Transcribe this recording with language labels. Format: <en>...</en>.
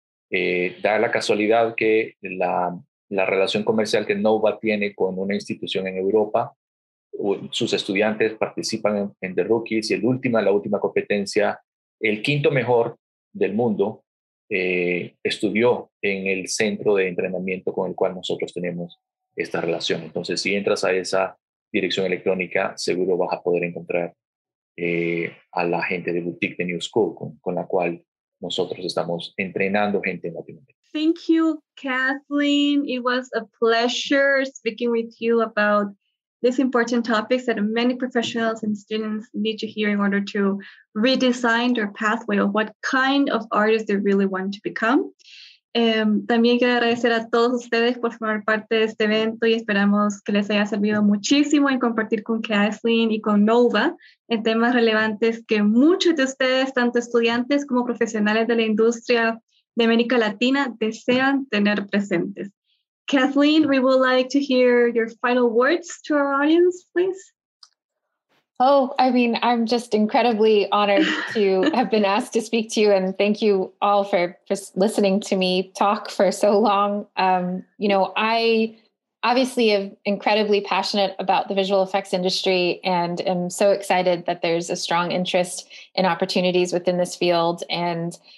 <es>Da la casualidad que la relación comercial que Nova tiene con una institución en Europa, sus estudiantes participan en The Rookies y la última competencia, el quinto mejor del mundo estudió en el centro de entrenamiento con el cual nosotros tenemos esta relación. Entonces, si entras a esa dirección electrónica, seguro vas a poder encontrar a la gente de Boutique de New School con la cual nosotros estamos entrenando gente en Latinoamérica.</es> <en>Thank you, Kathleen. It was a pleasure speaking with you about these important topics that many professionals and students need to hear in order to redesign their pathway of what kind of artist they really want to become.</en> <es>También quiero agradecer a todos ustedes por formar parte de este evento y esperamos que les haya servido muchísimo en compartir con Kathleen y con Nova en temas relevantes que muchos de ustedes, tanto estudiantes como profesionales de la industria de América Latina, desean tener presentes.</es> <en>Kathleen, we would like to hear your final words to our audience, please. Oh, I mean, I'm just incredibly honored to have been asked to speak to you, and thank you all for listening to me talk for so long. You know, I obviously am incredibly passionate about the visual effects industry and am so excited that there's a strong interest in opportunities within this field. And</en>